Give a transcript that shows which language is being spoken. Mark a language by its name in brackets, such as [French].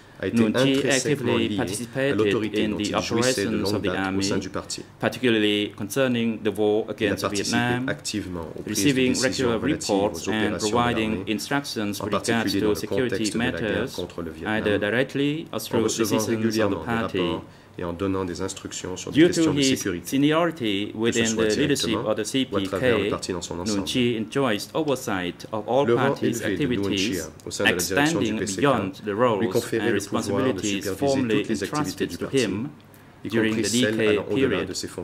[English] Nuon Chea actively participated in the operations of the army, particularly concerning the war against Vietnam, receiving regular reports and providing instructions regarding to security matters, either directly or through decisions of the party. [French] Et en donnant des instructions sur des questions de sécurité. [English] Seniority within the leadership of the CPK, Nuon Chea enjoys oversight of all parties' activities, extending beyond the roles and responsibilities formally entrusted to him during the DK period.